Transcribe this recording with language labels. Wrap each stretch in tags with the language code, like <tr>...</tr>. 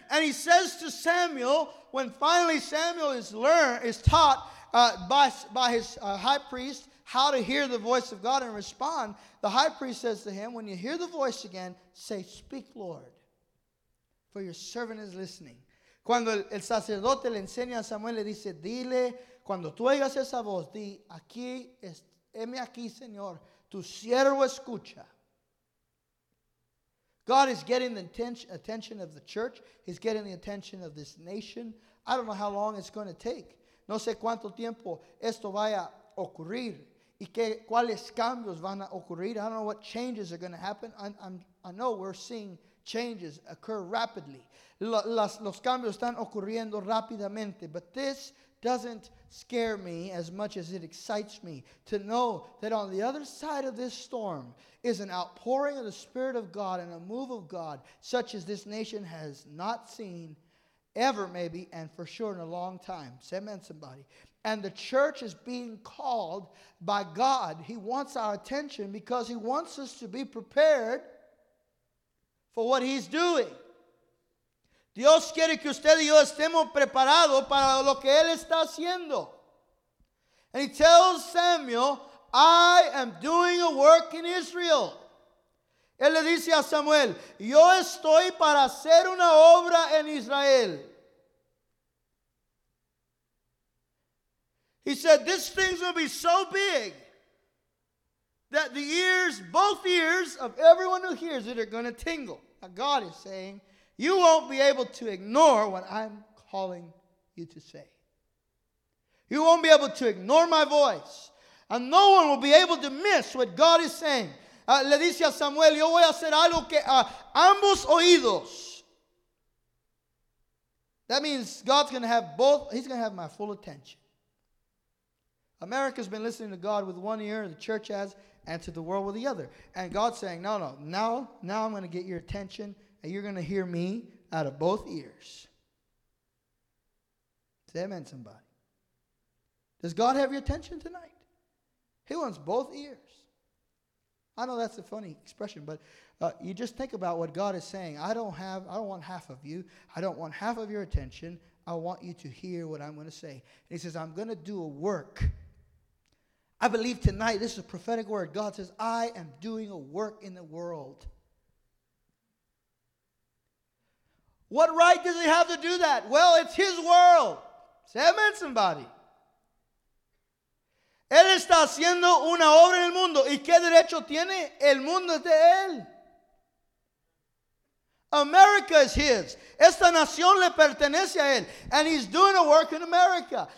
<en>And he says to Samuel, when finally Samuel is taught by his high priest how to hear the voice of God and respond, the high priest says to him, when you hear the voice again, say, speak, Lord. For your servant is listening.</en> <es>Cuando el sacerdote le enseña a Samuel, le dice, dile, cuando tú oigas esa voz, di, aquí, heme aquí, Señor, tu siervo escucha.</es> <en>God is getting the attention of the church. He's getting the attention of this nation. I don't know how long it's going to take.</en> <es>No sé cuánto tiempo esto vaya a ocurrir. Y que, cuáles cambios van a ocurrir.</es> <en>I don't know what changes are going to happen. I know we're seeing changes occur rapidly.</en> <es>Los cambios están ocurriendo rápidamente.</es> <en>But this doesn't scare me as much as it excites me to know that on the other side of this storm is an outpouring of the Spirit of God and a move of God such as this nation has not seen ever, maybe, and for sure in a long time. Say amen, somebody. And the church is being called by God. He wants our attention because he wants us to be prepared for what he's doing.</en> <es>Dios quiere que usted y yo estemos preparados para lo que él está haciendo.</es> <en>And he tells Samuel, I am doing a work in Israel.</en> <es>Él le dice a Samuel, yo estoy para hacer una obra en Israel.</es> <en>He said, this thing's going to be so big that the ears, both ears of everyone who hears it are going to tingle. God is saying, you won't be able to ignore what I'm calling you to say. You won't be able to ignore my voice. And no one will be able to miss what God is saying.</en> <es>Le dice a Samuel, yo voy a hacer algo que ambos oídos.</es> <en>That means God's going to have both. He's going to have my full attention. America's been listening to God with one ear, the church has, and to the world with the other. And God's saying, no, no, now I'm going to get your attention, and you're going to hear me out of both ears. Say amen, somebody. Does God have your attention tonight? He wants both ears. I know that's a funny expression, but you just think about what God is saying. I don't want half of you. I don't want half of your attention. I want you to hear what I'm going to say. And he says, I'm going to do a work. I believe tonight, this is a prophetic word. God says, I am doing a work in the world. What right does he have to do that? Well, it's his world. Say amen, somebody.</en> <es>Él está haciendo una obra en el mundo. ¿Y qué derecho tiene? El mundo es de él.</es> <en>America is his.</en> <es>Esta nación le pertenece a él.</es> <en>And he's doing a work in America.</en>